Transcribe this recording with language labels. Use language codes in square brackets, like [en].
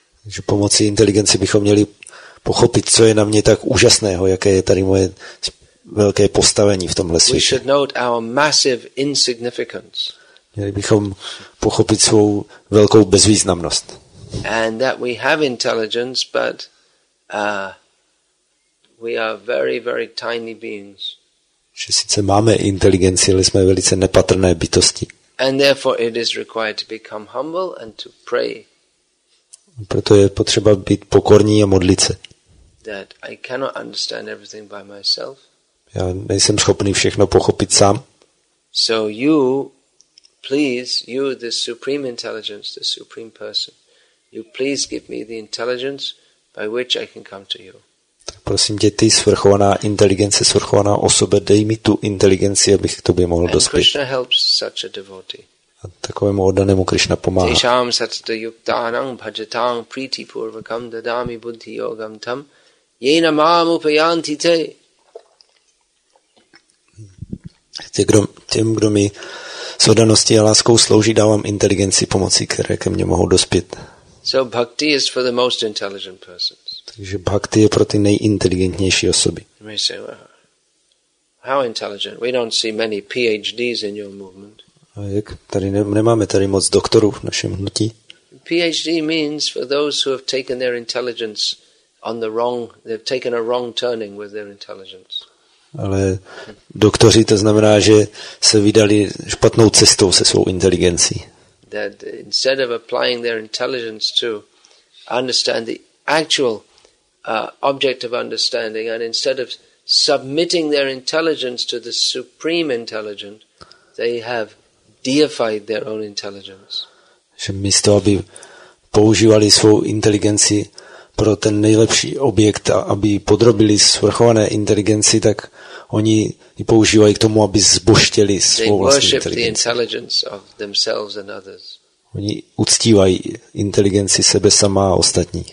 [cs] Takže pomocí inteligence bychom měli pochopit, co je na mě tak úžasného, jaké je tady moje velké postavení v tomhle světě. [en] We should note our massive insignificance. [cs] Měli bychom pochopit svou velkou bezvýznamnost. [en] And that we have intelligence, but we are very, very tiny beings. [cs] Že sice máme inteligenci, ale jsme velice nepatrné bytosti. [en] And therefore it is required to become humble and to pray. [cs] Proto je potřeba být pokorní a modlit se. [en] That I cannot understand everything by myself. [cs] Já nejsem schopný všechno pochopit sám. [en] So you, please, you, the supreme intelligence, the supreme person, you please give me the intelligence by which I can come to you. [cs] Tak prosím tě, ty svrchovaná inteligence, svrchovaná osobe, dej mi tu inteligenci, abych k tobě mohl dospět. [en] And Krishna helps such a devotee. [cs] A takovému oddanému Krishna pomáhá. [sa] Tisham satta yuktanam bhajatam priti purvakam dadami buddhi yogam tam yena mam upayanti te. [cs] Těm, kdo mi s oddaností a láskou slouží, dávám inteligenci, pomocí které ke mně mohou dospět. [en] So bhakti is for the most intelligent person. [cs] Takže bhakti je pro ty nejinteligentnější osoby. [en] Say, well, how intelligent? We don't see many PhDs in your movement. [cs] A jak? Tady nemáme tady moc doktorů v našem hnutí. [en] PhD means for those who have taken their intelligence on the wrong, they've taken a wrong turning with their intelligence. [cs] Ale doktoři, to znamená, že se vydali špatnou cestou se svou inteligencí. [en] That instead of applying their intelligence to understand the actual object of understanding, and instead of submitting their intelligence to the supreme intelligent, they have deified their own intelligence. [cs] Že místo, aby používali svou inteligenci pro ten nejlepší objekt, aby podrobili svrchované inteligenci, tak oni ji používají k tomu, aby zboštěli svou vlastní inteligenci. [en] Of themselves and others. [cs] Oni uctívají inteligenci sebe sama a ostatní.